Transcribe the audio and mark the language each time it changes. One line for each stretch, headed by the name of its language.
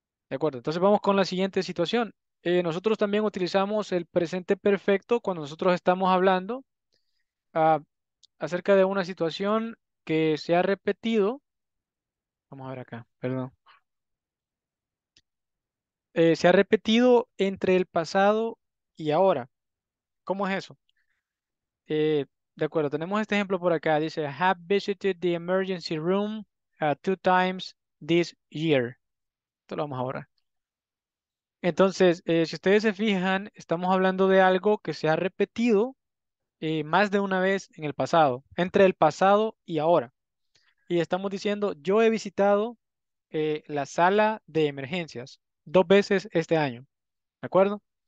Spanish: De acuerdo, entonces vamos con la siguiente situación. Nosotros también utilizamos el presente perfecto cuando nosotros estamos hablando acerca de una situación que se ha repetido. Vamos a ver acá, perdón. Se ha repetido entre el pasado y ahora. ¿Cómo es eso? De acuerdo, tenemos este ejemplo por acá. Dice,
English: have visited the emergency room two times this year.
Spanish: Esto lo vamos a borrar. Entonces, si ustedes se fijan, estamos hablando de algo que se ha repetido más de una vez en el pasado, entre el pasado y ahora. Y estamos diciendo, yo he visitado la sala de emergencias dos veces este año. ¿De acuerdo?